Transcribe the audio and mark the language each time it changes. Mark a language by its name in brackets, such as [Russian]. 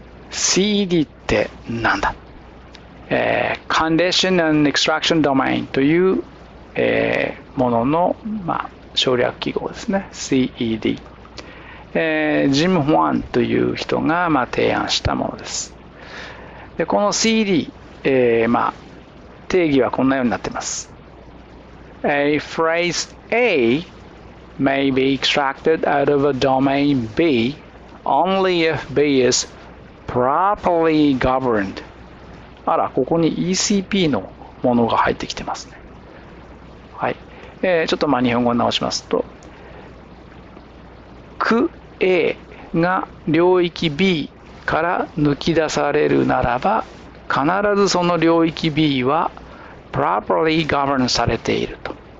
[Japanese] CED ってなんだ、Condition and Extraction Domain という、ものの、省略記号ですね。 CED。ジム・ホワンという人が、提案したものです。でこの CED、定義はこんなようになっています。 [English] A phrase A may be extracted out of a domain B only if B is properly governed. [Japanese] あら、ここに ECP のものが入ってきてますね。はい。ちょっと日本語を直しますと、区 A が領域 B から抜き出されるならば、必ずその領域 B は [English] properly governed [Japanese] されていると。